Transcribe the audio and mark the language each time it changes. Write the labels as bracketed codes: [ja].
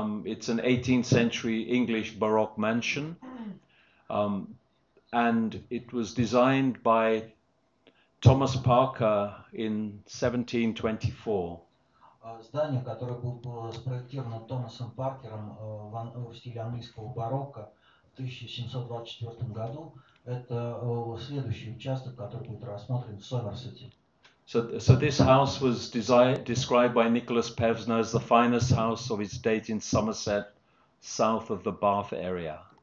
[en] It's an 18th century English Baroque mansion. And it was designed by Thomas Parker in 1724. [ru] Здание, которое было спроектировано Томасом Паркером в стиле английского барокко в 1724 году, это следующий участок, который будет рассмотрен в Сомерсете. [en] So this house was described by Nicholas Pevsner as the finest house of its date in Somerset, south of the Bath area.